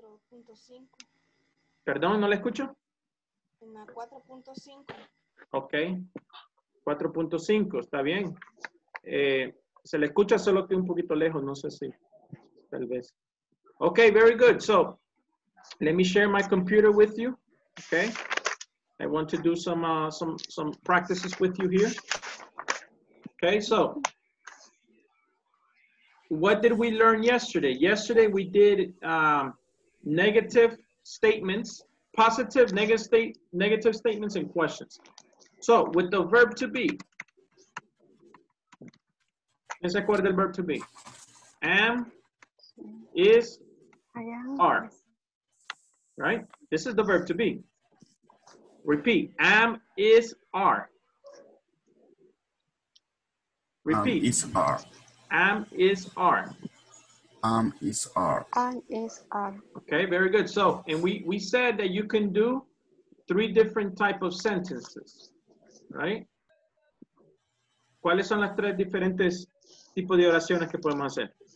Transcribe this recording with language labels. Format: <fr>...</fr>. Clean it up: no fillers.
<es>4.5. ¿Perdón, no la escucho? En la 4.5. Ok. 4.5, está bien. Se le escucha solo que un poquito lejos, no sé si, tal vez.</es> <en>Okay, very good. So, let me share my computer with you, okay? I want to do some practices with you here. Okay, so, what did we learn yesterday? Yesterday we did negative statements positive, negative statements and questions. So, with the verb to be.</en> <es>¿Quién se acuerda del</es> <en>verb to be? Am, is, are. Right? This is the verb to be. Repeat. Am, is, are. Repeat. Am, is, are. Am, is, are. Am, is, are. Am, is, are. Okay, very good. So, and we said that you can do three different type of sentences, right?</en> <es>¿Cuáles son las tres diferentes tipos de oraciones que podemos hacer?</es>